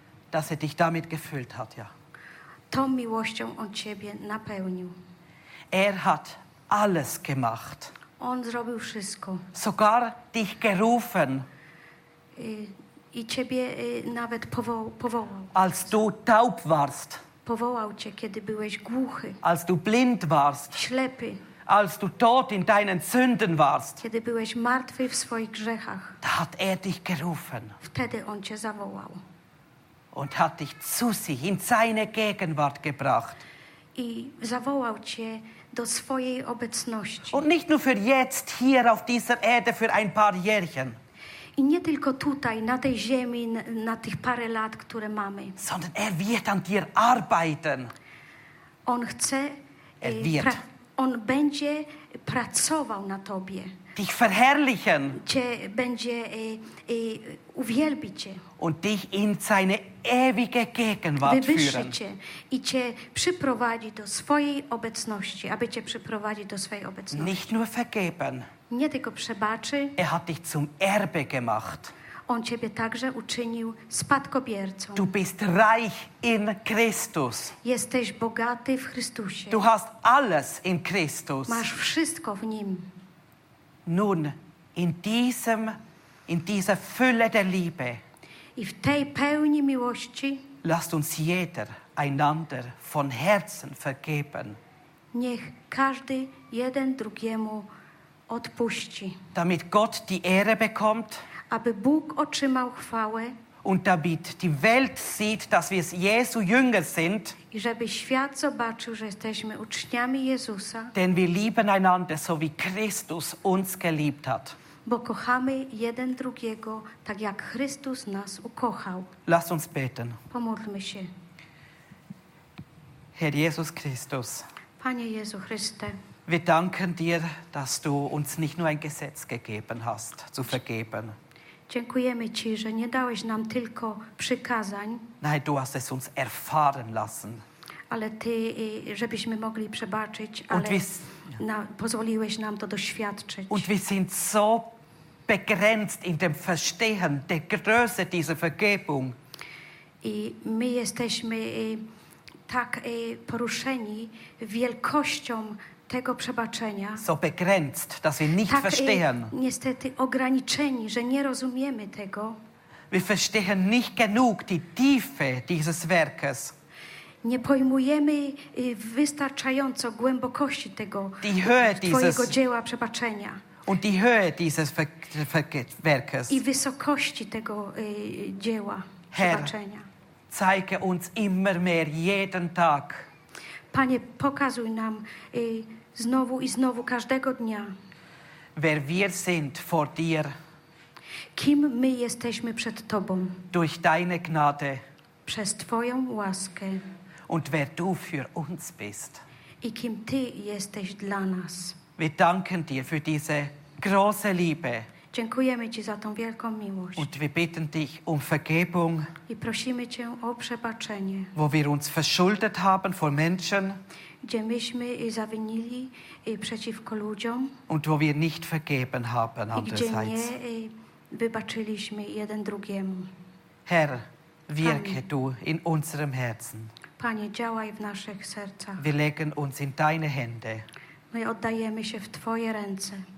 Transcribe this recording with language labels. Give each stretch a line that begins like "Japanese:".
German: Dass er dich damit gefüllt hat, ja.
Polish: Tą miłością on ciebie napełnił.
German: Er hat alles gemacht.
Polish: On zrobił wszystko.
German: Sogar dich gerufen.
Polish: I ciebie nawet powołał.
German: Als du taub warst.
Polish: Powołał cię, kiedy byłeś głuchy.
German: Als du blind warst.
Polish: Ślepy.
German: Als du tot in deinen Sünden warst.
Polish: Kiedy byłeś martwy w swoich grzechach.
German: Da hat dich gerufen.
Polish: Wtedy on cię zawołał.
German: Und hat dich zu sich in seine Gegenwart gebracht.
Polish: I zawołał cię do swojej obecności.
German: Und nicht nur für jetzt hier auf dieser Erde für ein paar Jährchen.
Polish: I nie tylko tutaj na tej ziemi na tych parę lat, które mamy.
German: Sondern wird an dir arbeiten.
Polish: On chce. On będzie pracował na tobie.
German: Dich verherrlichen.
Polish: Cię będzie uwielbić cię.
German: Und dich in seine ewige Gegenwart führen.
Polish: Cię i cię przyprowadzi do swojej obecności, aby cię przyprowadzi do swojej obecności.
German: Nicht nur vergeben.
Polish: Nie tylko przebaczy.
German: Er hat dich zum Erbe gemacht.
Polish: On ciebie także uczynił spadkobiercą.
German: Du bist reich in Christus.
Polish: Jesteś bogaty w Chrystusie.
German: Du hast alles in Christus.
Polish: Masz wszystko w nim.
German: Nun, in dieser Fülle der Liebe.
Polish: I w tej pełni miłości.
German: Lasst uns jeder einander von Herzen vergeben.
Polish: Niech każdy jeden drugiemu odpuści.
German: Damit Gott die Ehre bekommt.
Polish: Aby Bóg otrzymał chwałę.
German: Und damit die Welt sieht, dass wir Jesu Jünger sind.
Polish: I żeby świat zobaczył, że jesteśmy uczniami Jezusa.
German: Denn wir lieben einander, so wie Christus uns geliebt hat.
Polish: Bo kochamy jeden drugiego, tak jak Chrystus nas ukochał.
German: Lass uns beten.
Polish: Pomódlmy się.
German: Herr Jesus Christus.
Polish: Panie Jezu Chryste.
German: Wir danken dir, dass du uns nicht nur ein Gesetz gegeben hast, zu vergeben.
Polish: Dziękujemy ci, że nie dałeś nam tylko przykazań.
German: Nein, du hast es uns erfahren lassen.
Polish: Ale ty, żebyśmy mogli przebaczyć, ale pozwoliłeś nam to doświadczyć.
German: Und wir sind so begrenzt in dem Verstehen der Größe dieser Vergebung.
Polish: I my jesteśmy tak poruszeni wielkością tego przebaczenia.
German: So begrenzt, dass wir nicht verstehen.
Polish: Niestety ograniczeni, że nie rozumiemy tego.
German: Wir verstehen nicht genug die Tiefe dieses Werkes.
Polish: Nie pojmujemy wystarczająco głębokości tego Twojego dzieła przebaczenia.
German: Und die Höhe dieses Werkes.
Polish: I wysokości tego dzieła przebaczenia.
German: Herr, zeige uns immer mehr jeden Tag.
Polish: Panie, pokazuj nam znowu i znowu każdego dnia.
German: Wer wir sind vor dir.
Polish: Kim my jesteśmy przed tobą.
German: Durch deine Gnade.
Polish: Przez twoją łaskę.
German: Und wer du für uns bist.
Polish: I kim ty jesteś dla nas.
German: Wir danken dir für diese große Liebe.
Polish: Dziękujemy ci za tą wielką miłość.
German: Und wir bitten dich um Vergebung.
Polish: I prosimy cię o przebaczenie.
German: Wo wir uns verschuldet haben vor Menschen.
Polish: Gdzie myśmy zawinili przeciwko ludziom.
German: Und wo wir nicht vergeben haben andererseits.
Polish: I gdzie nie wybaczyliśmy jeden drugiemu.
German: Herr, wirke
Polish: Panie.
German: Du in unserem Herzen.
Polish: Panie, działaj w naszych sercach.
German: Wir legen uns in deine Hände.
Polish: My oddajemy się w twoje ręce.